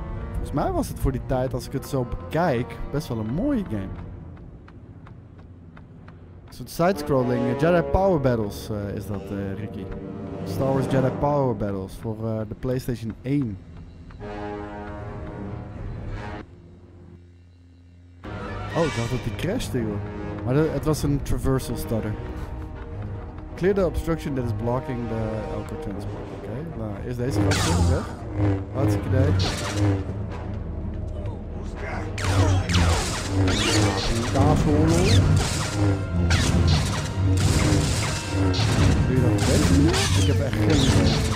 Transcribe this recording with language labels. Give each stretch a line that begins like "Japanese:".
Dutch: Volgens mij was het voor die tijd, als ik het zo bekijk, best wel een mooie game. Een soort sidescrolling, Jedi Power Battles is dat, Ricky. Star Wars Jedi Power Battles voor de PlayStation 1. Oh, ik dacht dat die crashte, joh. Maar het was een traversal stutter.
English: Clear the obstruction that is blocking the Elko transport.
Dutch: Oké, nou, eerst deze kant op, hè? Hartstikke idee. Tafel. Doe je dat op deze manier? Ik heb echt geen idee.